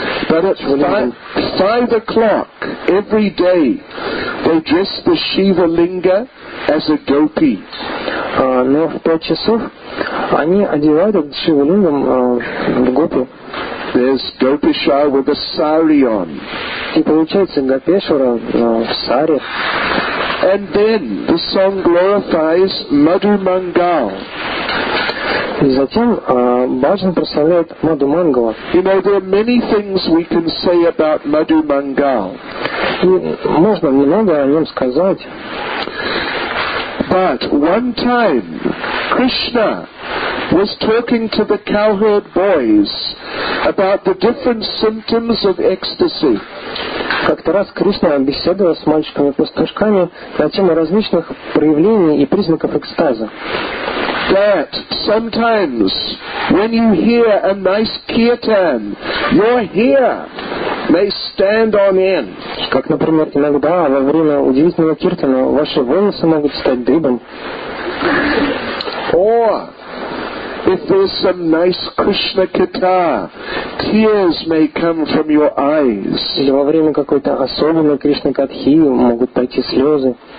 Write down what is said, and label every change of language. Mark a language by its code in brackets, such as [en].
[en] But at 5 o'clock every day, they dress the Shiva Linga as a gopi. [ru] Но в 5 часов они одевают Шива Лингам в гопи. [en] There's Gopeshwar with a sari on. [ru] И получается Гопешвара в саре. [en] And then the song glorifies Madhu Mangal. [ru] И затем бхаджан прославляет Мадху Мангала. [en] You know, there are many things we can say about Madhu Mangal. [ru] И можно немного о нем сказать. [en] But one time Krishna was talking to the cowherd boys about the different symptoms of ecstasy. [ru] Как-то раз Кришна беседовал с мальчиками-пастушками на тему различных проявлений и признаков экстаза. [en] That sometimes when you hear a nice kirtan, your hair may stand on end. [ru] Как, например, иногда во время удивительного киртана ваши волосы могут стать дыбом. [en] Or if there's some nice Krishna kirtan, tears may come from your eyes. [ru] Или во время какой-то особенной Кришна катхи могут пойти слезы.